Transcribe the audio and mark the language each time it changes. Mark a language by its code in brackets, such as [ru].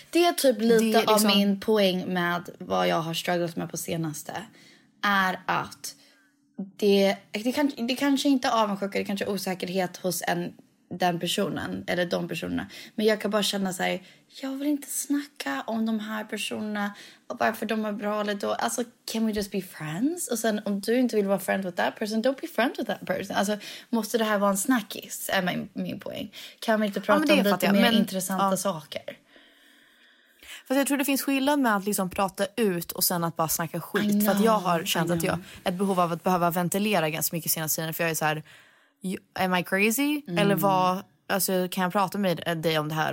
[sv] Det är typ lite det, liksom, av min poäng med vad jag har strugglat med på senaste. Är att det kanske inte är avundsjuka, det kanske är osäkerhet hos den personen eller de personerna. Men jag kan bara känna så här, jag vill inte snacka om de här personerna och varför de är bra eller då. Alltså, [en] can we just be friends? [sv] Och sen om du inte vill vara [en] friend with that person, don't be friend with that person. [sv] Alltså, måste det här vara en snackis, är min poäng. Kan vi inte prata om lite mer intressanta saker? För jag tror det finns skillnad med att liksom prata ut och sen att bara snacka skit. För att jag har känt att jag har ett behov av att behöva ventilera ganska mycket senaste tiden. För jag är så här, [en] am I crazy? [sv] Eller vad, alltså, kan jag prata med dig om det här?